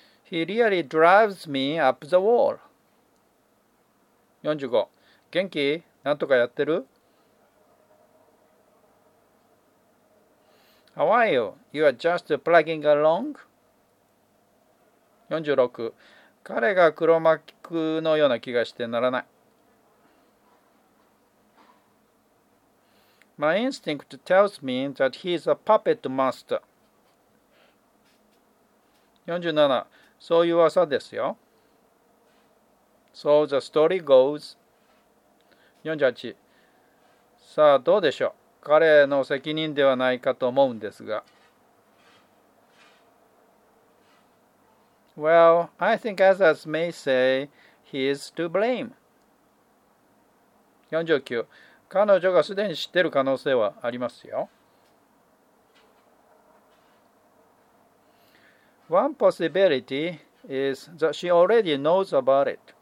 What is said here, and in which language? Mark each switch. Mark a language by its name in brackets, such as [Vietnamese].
[English] He really drives me up the wall. 45. [Japanese] 元気？なんとかやってる? [English] How are you? You are just plugging along? 46. [Japanese] 彼が黒幕のような気がしてならない。 [English] My instinct tells me that he's a puppet master. [Japanese] 47. そういう噂ですよ。 [English] So the story goes. [Japanese] 48. さあどうでしょう。彼の責任ではないかと思うんですが。 [English] Well, I think others may say he is to blame. 49. [Japanese] 彼女がすでに知ってる可能性はありますよ。 [English] One possibility is that she already knows about it.